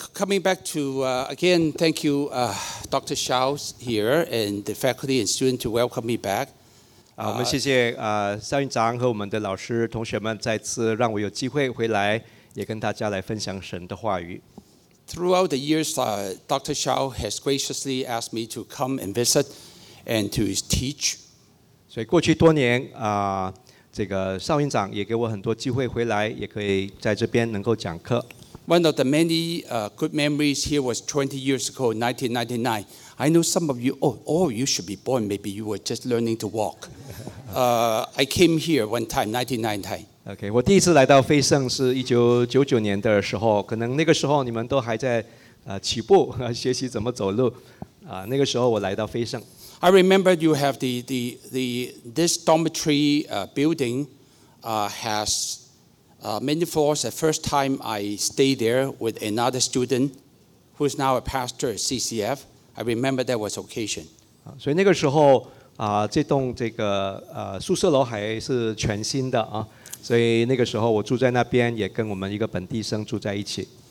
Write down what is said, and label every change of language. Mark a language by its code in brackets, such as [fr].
[en] Coming back to again, thank you, Dr. Shao here and the faculty and student to welcome me back. [zh] 我们谢谢邵院长和我们的老师同学们再次让我有机会回来。也跟大家来分享神的话语。 [en] Throughout the years, Dr. Shao has graciously asked me to come and visit and to teach. [zh] 所以过去多年，这个邵院长也给我很多机会回来，也可以在这边能够讲课。 [en] One of the many good memories here was 20 years ago, 1999. I know some of you, you should be born, maybe you were just learning to walk. I came here one time, 1999. [zh] OK, 我第一次来到飞圣是1999年的时候，可能那个时候你们都还在起步，学习怎么走路。那个时候我来到飞圣。 [en] I remember you have this dormitory building has many floors. The first time I stayed there with another student who is now a pastor at CCF. I remember that was occasion. [zh] 所以那个时候这栋这个宿舍楼还是全新的啊。所以那个时候我住在那边，也跟我们一个本地生住在一起。